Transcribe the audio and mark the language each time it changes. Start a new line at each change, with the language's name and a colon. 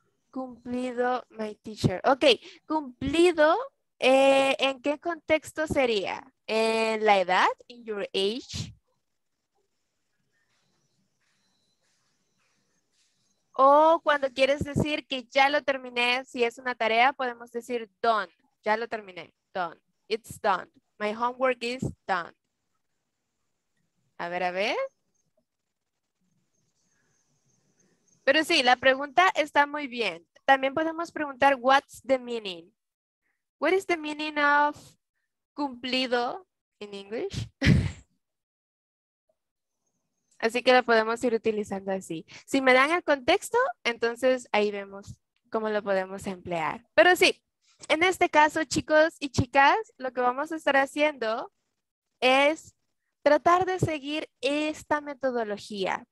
Spanish: Cumplido,
English: my teacher.
Spanish: Ok, cumplido. ¿En qué contexto sería? ¿En la edad?
English: ¿In your age?
Spanish: O cuando quieres decir que ya lo terminé, si es una tarea, podemos decir done. Ya lo terminé.
English: Done. It's done. My homework is done.
Spanish: A ver. Pero sí, la pregunta está muy bien. También podemos preguntar,
English: what's the meaning? What is the meaning of cumplido in English?
Spanish: Así que la podemos ir utilizando así. Si me dan el contexto, entonces ahí vemos cómo lo podemos emplear. Pero sí, en este caso, chicos y chicas, lo que vamos a estar haciendo es tratar de seguir esta metodología.